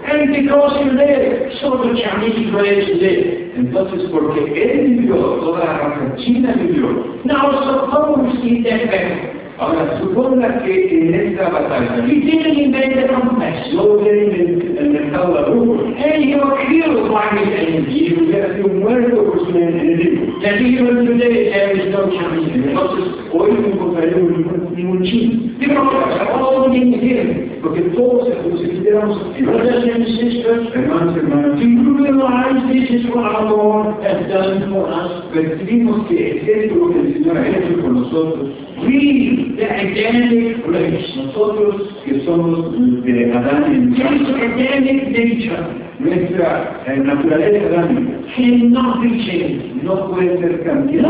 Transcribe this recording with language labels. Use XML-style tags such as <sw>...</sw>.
<en>And because he lived, so the Chinese race lived.</en> <es>Entonces, porque él vivió, toda la raza china vivió.</es> <en>Now suppose he then went.</en> <es>Ahora suponga que en esta batalla.</es> <en>He didn't invent the compass.</en> <es>No hubiera inventado la brújula.</es> <en>And he was killed by his enemies.</en> <es>Y hubiera sido muerto por su enemigo.</es> <en>That even today there is no Chinese.</en> <es>Entonces, hoy no encontraremos ningún chino.</es> <en>Because all in him.</en> <es>Porque todos se consideramos.</es> <en>Brothers and sisters.</en> <es>Hermanos, hermanos.</es> <en>Do you realize this is what our Lord has done for us?</en> <es>Percibimos que es esto lo que el Señor ha hecho con nosotros.</es> <en>We, the Adamic race,</en> <es>nosotros que somos de Adán y</es> <en>Eva, Adamic nature,</en> <es>nuestra naturaleza adámica,</es> <en>cannot be changed,</en> <es>no puede ser cambiada,</es>